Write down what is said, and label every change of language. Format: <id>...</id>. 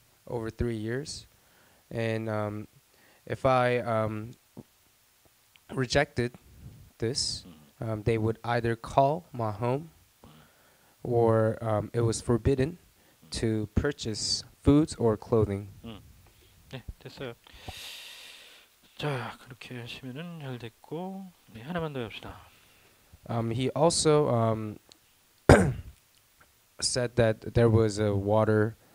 <en>over 3 years, and if I rejected this, they would either call my home, or it was forbidden to purchase foods or clothing.</en> <ko>네, 됐어요. 자 그렇게 하시면은 잘 됐고 네, 하나만 더 해봅시다.</ko> <en>He also said that there was a water.</en>